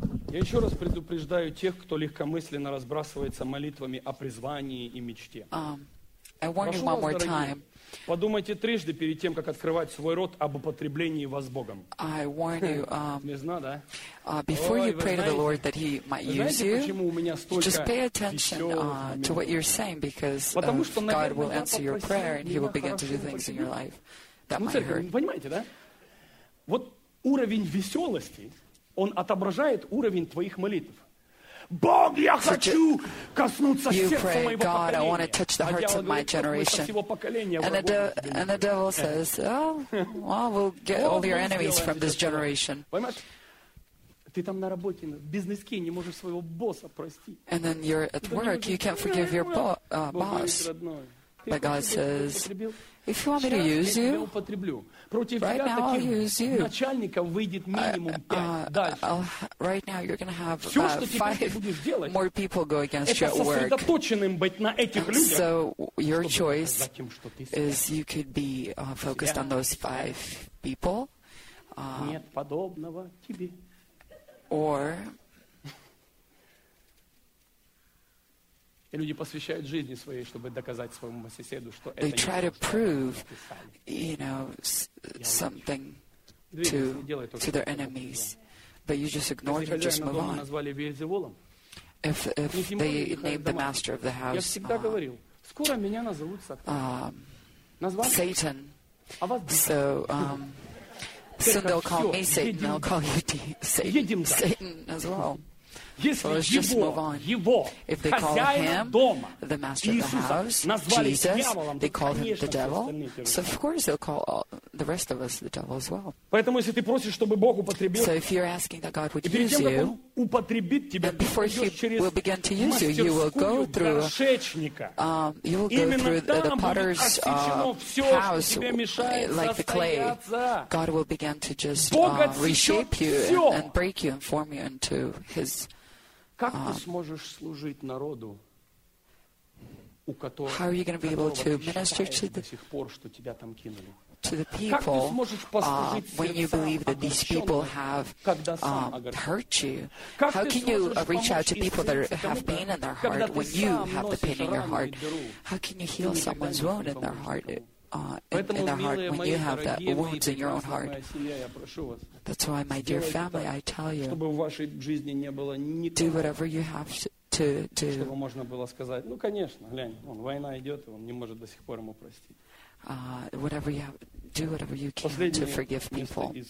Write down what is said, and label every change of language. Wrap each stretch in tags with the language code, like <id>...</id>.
<ru>Я еще раз предупреждаю тех, кто легкомысленно разбрасывается молитвами о призвании и мечте.</ru> <en>I warn you one more time.</en> <ru>Подумайте трижды перед тем, как открывать свой рот об употреблении вас Богом.</ru> <en>I warn you.</en> <ru>Не знаю, да?</ru> <en>Before you pray to the Lord that He might use you.</en> <ru>Знаете, почему у меня столько веселых моментов?</ru> <en>Just pay attention to what you're saying because God will answer your prayer and He will begin to do things in your life that might hurt.</en> <ru>Понимаете, да? Вот уровень веселости. Он отображает уровень твоих молитв. Бог, я хочу коснуться сердца моего поколения.</ru> <en>You pray, God, I want to touch the hearts of my generation. And the devil says, oh, well, we'll get all your enemies from this generation.</en> <ru>Ты там на работе, в бизнеске, не можешь своего босса простить.</ru> <en>And then you're at work, you can't forgive your boss. But God says, if you want me to use you, right now I'll use you. Right now you're going to have five more people go against you at work. So your choice is you could be focused on those five people.</en> <ru>Нет подобного тебе.</ru> <en>Or</en> <ru>люди посвящают жизни своей, чтобы доказать своему соседу, что</ru> <en>they try to prove, you know, something to their enemies, but you just ignore them, just move on. If they named the master of the house, Satan, so. Soon they'll call me Satan, they'll call you Satan as well. So let's just move on. If they call him the master of the house, Jesus, they call him the devil, so of course they'll call the rest of us the devil as well. So if you're asking that God would use you, and before he will begin to use you, you will go through the potter's house, like the clay. God will begin to just reshape you and break you and form you into his...</en> <ru>Как ты сможешь служить народу, у которого</ru> <en>How are you going to be able to minister to the,</en> <ru>до сих пор, что тебя там кинули?</ru> <en>To the people, when you believe that these people have hurt you? How can you reach out to people that have pain in their heart when you have the pain in your heart? How can you heal someone's wound in their heart? In their heart when you have that wounds in your own heart. That's why, my dear family, I tell you, do whatever you have to do.</en> <ru>Чтобы можно было сказать, ну, конечно, глянь, война идет, он не может до сих пор ему простить.</ru> <en>Whatever you have, do whatever you can to forgive people.</en>